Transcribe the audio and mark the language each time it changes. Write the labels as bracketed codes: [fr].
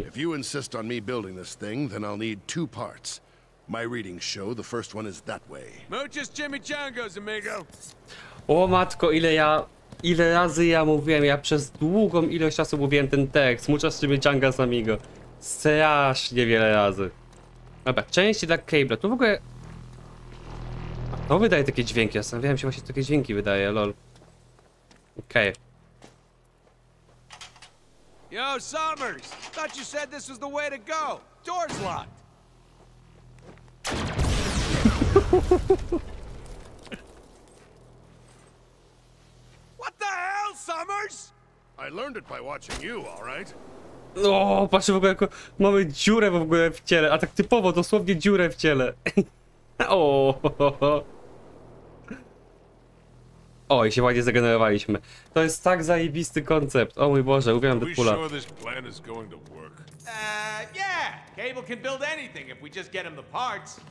[en] If you insist on me building this thing, then I'll need two parts. My readings show the first one is that way. [es] Muchas chimichangas, amigo. [pl] O matko, ile razy ja mówiłem, ja przez długą ilość czasu mówiłem ten tekst. [es] Muchas chimichangas, amigo. [pl] Strasznie wiele razy. Dobra, część dla Cable'a. Tu w ogóle... A to wydaje takie dźwięki, zastanawiałem się, właśnie takie dźwięki wydaje, lol. Okej. Okay. [en] Yo, Summers! Thought you said this was the way to go. Door's locked. What the hell, Summers? I learned it by watching you, all right? [pl] No, patrzę w ogóle, jak mamy dziurę w ogóle w ciele, a tak typowo, dosłownie dziurę w ciele. O. O, i się ładnie zregenerowaliśmy. To jest tak zajebisty koncept. O mój Boże, uwielbiam Deadpoola. [en] Are we sure this plan is going to work? Yeah. Cable can build anything if we just get him the parts.